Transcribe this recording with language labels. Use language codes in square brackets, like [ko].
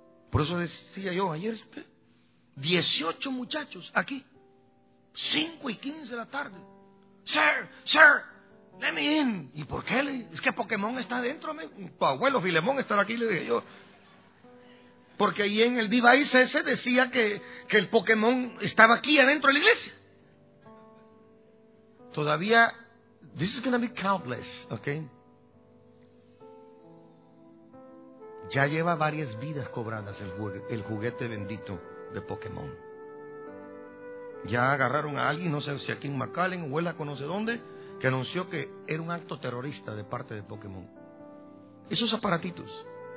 [es] Por eso decía yo ayer, 18 muchachos aquí, 5:15 de la tarde. [en] Sir, sir, let me in. [es] ¿Y por qué? Es que Pokémon está adentro, tu abuelo Filemón estará aquí, le dije yo. Porque ahí en el device ese decía que el Pokémon estaba aquí adentro de la iglesia. Todavía, [en] this is going to be countless, okay? [es] Ya lleva varias vidas cobradas el juguete bendito de Pokémon. Ya agarraron a alguien, no sé si aquí en McAllen o en la conoce dónde, que anunció que era un acto terrorista de parte de Pokémon. Esos aparatitos.